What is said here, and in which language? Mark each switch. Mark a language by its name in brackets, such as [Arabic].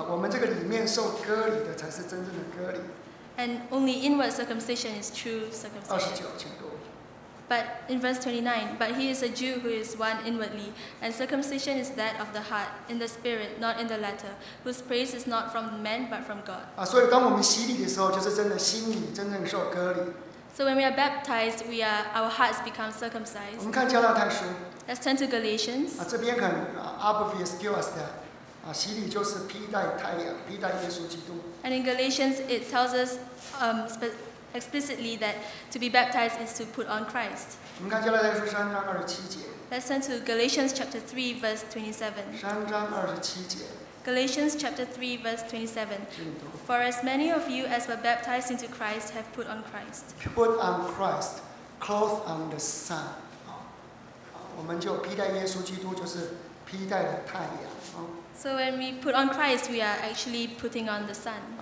[Chinese] 我们这个里面受割礼的才是真正的割礼。 [English] And only inward circumcision is true circumcision. [Chinese] 29，请读。 [English] But in verse 29, but he is a Jew who is one inwardly, and circumcision is that of the heart, in the spirit, not in the letter, whose praise is not from men but from God. [Chinese] 所以当我们洗礼的时候，就是真的心里真正受割礼。 [English] So when we are baptized, we are our hearts become circumcised. [Chinese] 我们看加拉太书。 [English] Let's turn to Galatians. [Chinese] 这边很 [English] obvious to us that [Chinese] 洗礼就是披戴太阳，披戴耶稣基督。 [English] And in Galatians, it tells us explicitly that to be baptized is to put on Christ. [Chinese] 我们看加拉太书3章27节。 [English] Let's turn to Galatians chapter 3, verse 27. [Chinese] 3章27节。 [English] Galatians chapter 3, verse 27. For as many of you as were baptized into Christ have put on Christ. Put on Christ, clothed on the sun. [Chinese] 我们就披戴耶稣基督，就是披戴了太阳。 [English] So when we put on Christ, we are actually putting on the sun.